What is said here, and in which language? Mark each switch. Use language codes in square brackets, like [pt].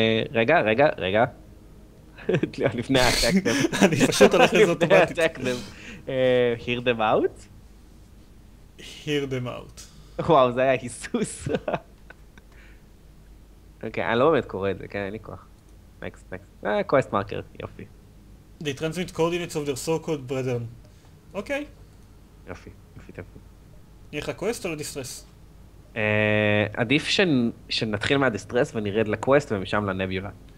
[he] רגע, רגע, רגע. לפני האטקדם. אני פשוט הולך לזה אוטומטית. [en] Hear them out? Hear them out. [he] וואו, זה היה היסוס. אוקיי, אני לא באמת קורא את זה, כן, אין לי כוח. נקסט, נקסט. קווסט מרקר, יופי. [en] They transmit coordinates of their so-called brethren. [he] אוקיי. יופי, יופי, יופי. נהיה לך קווסט או לדיסטרס? עדיף שנתחיל מהדיסטרס ונרד לקווסט ומשם לנביולה.